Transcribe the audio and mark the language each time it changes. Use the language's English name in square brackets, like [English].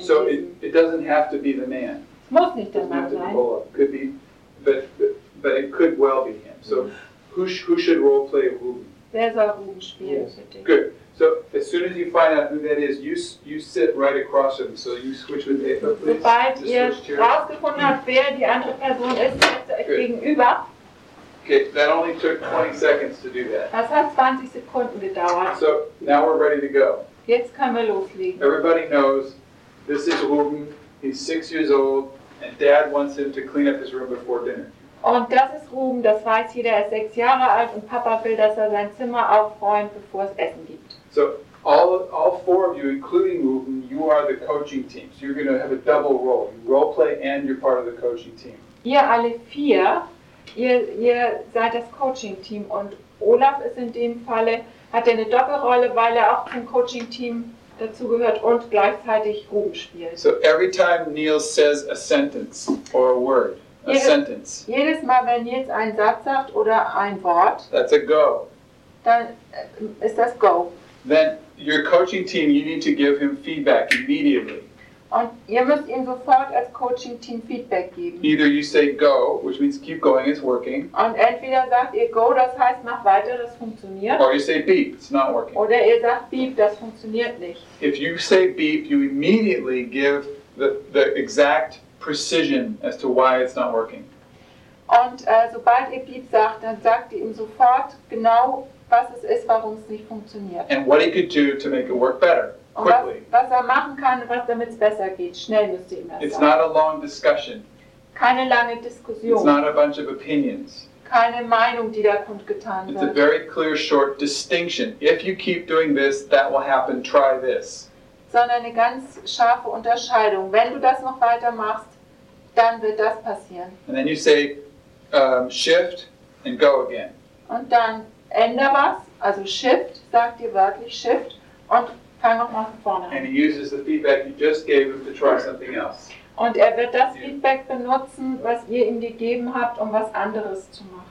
[English] So it doesn't have to be the man. [German] Es muss nicht der Mann sein. [English] Could be, but it could well be him. So who should role play Oben? [German] Wer soll Oben spielen? Yes. [English] Good. So as soon as you find out who that is, you sit right across him. So you switch with Eva, please. [German] Sobald ihr rausgefunden habt, wer die andere Person ist, setzt euch gegenüber. [English] Okay, that only took 20 seconds to do that. [German] Das hat 20 Sekunden gedauert. [English] So now we're ready to go. [German] Jetzt können wir loslegen. [English] Everybody knows this is Ruben. He's 6 years old, and Dad wants him to clean up his room before dinner. [German] Und das ist Ruben. Das weiß jeder. Er ist 6 Jahre alt, und Papa will, dass er sein Zimmer aufräumt, bevor es Essen gibt. So, [English] All four of you, including Ruben, you are the coaching team. So you're going to have a double role. You role play and you're part of the coaching team. [German] Ihr alle vier, ihr seid das Coaching Team. Und Olaf ist in dem Falle, hat eine Doppelrolle, weil auch zum Coaching Team dazu gehört und gleichzeitig Ruben spielt. [English] So every time Neil says a sentence or a word, sentence. [German] Jedes Mal, wenn Nils einen Satz sagt oder ein Wort. [English] That's a go. [German] Dann ist das go. [English] Then your coaching team, you need to give him feedback immediately. [German] Und ihr müsst ihm sofort als coaching team Feedback geben. [English] Either you say go, which means keep going, it's working. [German] Und entweder sagt ihr go, das heißt mach weiter, das funktioniert. [English] Or you say beep, it's not working. [German] Oder ihr sagt beep, das funktioniert nicht. [English] If you say beep, you immediately give the exact precision as to why it's not working. [German] Und sobald ihr beep sagt, dann sagt ihr ihm sofort genau, was es ist, warum es nicht funktioniert. [English] And what he could do to make it work better. Quickly. [German] Was er machen kann, was damit es besser geht, schnell müsst ihr ihm das sagen. [English] It's not a long discussion. [German] Keine lange Diskussion. [English] It's not a bunch of opinions. [German] Keine Meinung, die da kundgetan wird. [English] It's a very clear, short distinction. If you keep doing this, that will happen. Try this. [German] Sondern eine ganz scharfe Unterscheidung. Wenn du das noch weiter machst, dann wird das passieren. [English] And then you say, shift and go again. [German] Und dann änder was, also shift, sagt ihr wörtlich shift und [English] and he uses the feedback you just gave him to try something else. [German] Und wird das Feedback benutzen, was ihr ihm gegeben habt, um was anderes zu machen.